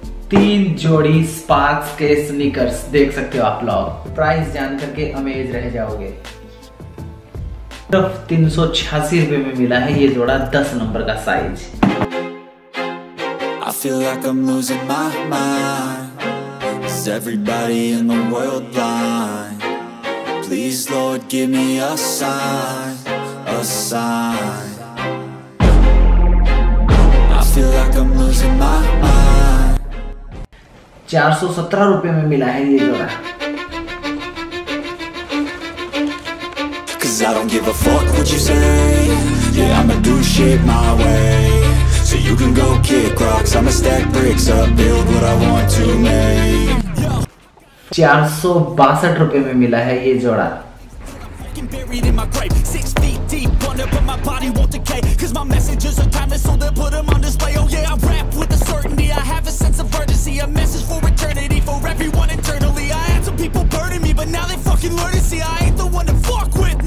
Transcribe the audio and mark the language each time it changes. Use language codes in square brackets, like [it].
[hi] तीन जोड़ी स्पार्क्स के स्नीकर्स देख सकते हो आप लोग, प्राइस जानकर के अमेज रह जाओगे। 386 रुपए में मिला है ये जोड़ा, 10 नंबर का size. [en] I feel like I'm losing my mind. Is everybody in the world blind? Please Lord give me a sign, a sign. I feel like I'm losing my mind. [hi] 417 रुपए में मिला है ये जोड़ा। [en] I don't give a fuck what you say. Yeah, I'ma do shit my way. So you can go kick rocks, I'ma stack bricks up, build what I want to make. [hi] 462 रुपए में मिला है ये जोड़ा। [en] Buried in my grave, 6 feet deep under, but my body won't decay. Cause my messages are timeless, so they put them on display. Oh yeah, I rap with a certainty. I have a sense of urgency, a message for eternity, for everyone internally. I had some people burning me, but now they fucking learn to see I ain't the one to fuck with.